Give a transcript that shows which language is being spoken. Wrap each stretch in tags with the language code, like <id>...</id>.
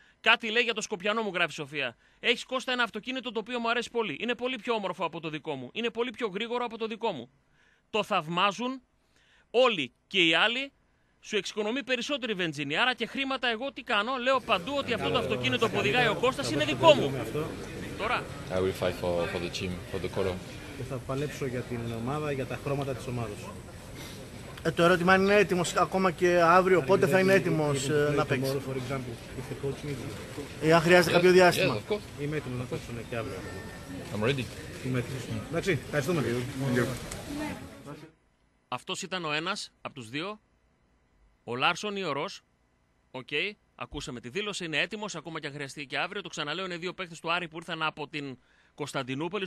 <el>Κάτι λέει για το Σκοπιανό μου, γράφει η Σοφία. Έχεις Κώστα ένα αυτοκίνητο το οποίο μου αρέσει πολύ. Είναι πολύ πιο όμορφο από το δικό μου. Είναι πολύ πιο γρήγορο από το δικό μου. Το θαυμάζουν όλοι και οι άλλοι. Σου εξοικονομεί περισσότερη βενζίνη. Άρα και χρήματα εγώ τι κάνω. Λέω παντού ότι αυτό το αυτοκίνητο που οδηγάει ο Κώστας είναι δικό μου. Τώρα.</el> <en>I will fight for the team, for the color.</en> <el>Και θα παλέψω για την ομάδα, για τα χρώματα της ομάδας. Το ερώτημα αν είναι έτοιμος ακόμα και αύριο, πότε θα είναι έτοιμος να παίξει.</el> <en>For example, if the coach needs.</en> <el>Εάν χρειάζεται κάποιο διάστημα.</el> <en>Yes, of course.</en> <el>Είμαι έτοιμος να παίξω και αύριο.</el> <en>I'm ready.</en> <el>Είμαι έτοιμος. Εντάξει, ευχαριστούμε. Αυτός ήταν ο ένας από τους δύο. Ο Λάρσον ή ο Ρος. Οκ. Ακούσαμε τη δήλωση. Είναι έτοιμος ακόμα και αν χρειαστεί και αύριο. Το ξαναλέω, είναι δύο παίκτες του Άρη που ήρθαν από την Κωνσταντινούπολη.</el>